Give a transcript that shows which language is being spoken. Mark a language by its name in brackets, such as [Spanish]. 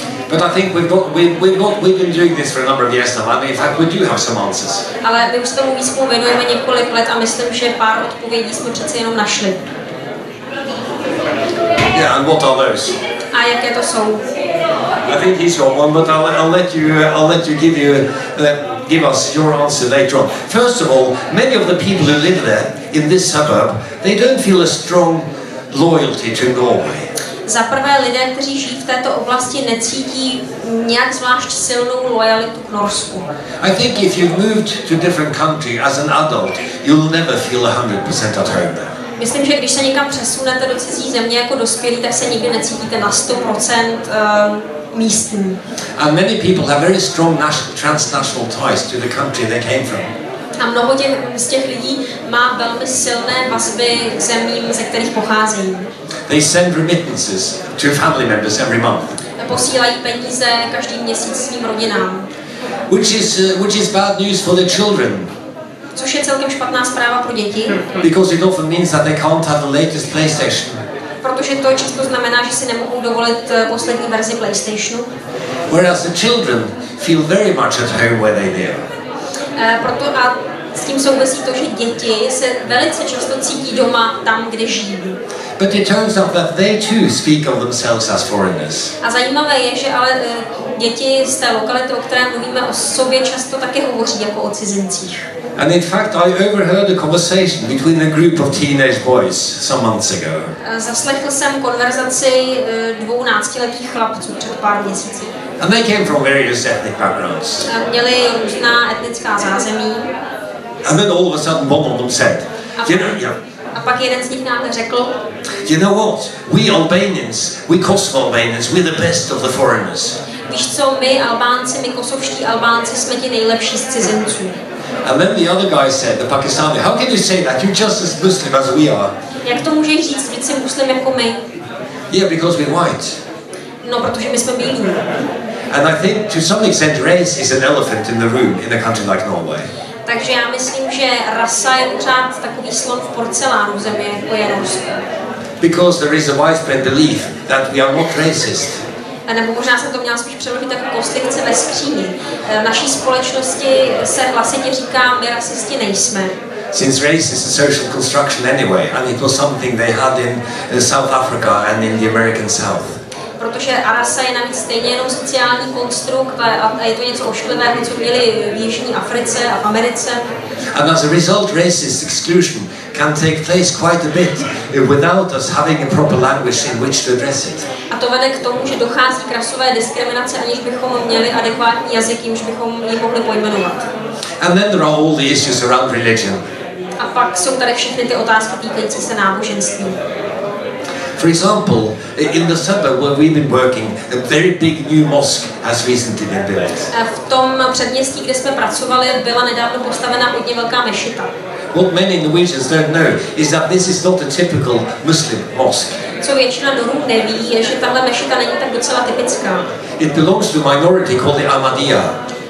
[English] But I think we've been doing this for a number of years now. I mean, in fact, we do have some answers. [Czech] Ale my už tomu výzkumu věnujeme několik let a myslím, že pár odpovědí jsme přece jenom našli. [English] Yeah, and what are those? [Czech] A jaké to jsou? [English] I think he's got one, but I'll let you give us your answer later on. First of all, many of the people who live there in this suburb, they don't feel a strong loyalty to Norway. [Czech] za prvé lidé, kteří žijí v této oblasti, necítí nějak zvlášť silnou lojalitu k Norsku. [English] I think if you've moved to a different country as an adult, you'll never feel 100% at home there. [Czech] Myslím, že když se někam přesunete do cizí země jako dospělí, tak se nikdy necítíte na 100% místní. [English] And many people have very strong transnational ties to the country they came from. [Czech] A mnoho z těch lidí má velmi silné vazby k zemím, ze kterých pochází. [English] They send remittances to family members every month. [Czech] Posílají peníze každý měsíc svým rodinám. [English] Which is bad news for the children. [Czech] Což je celkem špatná zpráva pro děti. [English] Because it often means that they can't have the latest PlayStation. [Czech] Protože to často znamená, že si nemohou dovolit poslední verzi PlayStationu. [English] Whereas the children feel very much at home where they live. [Czech] Proto a s tím souvisí to, že děti se velice často cítí doma tam, kde žijí. [English] But it turns out that they too speak of themselves as foreigners. [Czech] A zajímavé je, že ale děti z té lokality, o které mluvíme, o sobě často také hovoří jako o cizincích. [English] And in fact, I overheard a conversation between a group of teenage boys some months ago. [Czech] Zaslechl jsem konverzaci 12letých chlapců před pár měsíci. [English] And they came from various ethnic backgrounds. [Czech] Měli různá etnická zázemí. [English] And then all of a sudden one of them said, you know, yeah. [Czech] A pak jeden z nich nám řekl, [English] you know what? We Albanians, we Kosovo Albanians, we're the best of the foreigners. [Czech] Víš co, my Albánci, my kosovští Albánci jsme ti nejlepší z cizinců. [English] And then the other guy said, the Pakistani, how can you say that? You're just as Muslim as we are. [Czech] Jak to můžeš říct, že jsi Muslim jako my? [English] Yeah, because we're white. [Czech] No, protože my jsme bílí. [English] And I think to some extent race is an elephant in the room in a country like Norway. [Czech] Takže já myslím, že rasa je pořád takový slon v porcelánu země jako je Rusko. [English] Because there is a widespread belief that we are not racist. [Czech] A nebo možná jsem to měla spíš přeložit jako kostlivce ve skříni. V naší společnosti se hlasitě říká, my rasisti nejsme. [English] Since race is a social construction anyway, and it was something they had in South Africa and in the American South. [Czech] Protože rasa je navíc stejně jenom sociální konstrukt a je to něco ošklivého, co měli v jižní Africe a v Americe. [English] And as a result, racist exclusion can take place quite a bit without us having a proper language in which to address it. [Czech] A to vede k tomu, že dochází k rasové diskriminaci, aniž bychom měli adekvátní jazyk, jimž bychom ji mohli pojmenovat. [English] And then there are all the issues around religion. [Czech] A pak jsou tady všechny ty otázky týkající se náboženství. [English] For example, in the suburb where we've been working, a very big new mosque has recently been built. [Czech] V tom předměstí, kde jsme pracovali, byla nedávno postavena hodně velká mešita. [English] What many Norwegians don't know is that this is not a typical Muslim mosque. [Czech] Co většina Norů neví, je, že tahle mešita není tak docela typická. [English] It belongs to a minority called the Ahmadiyya.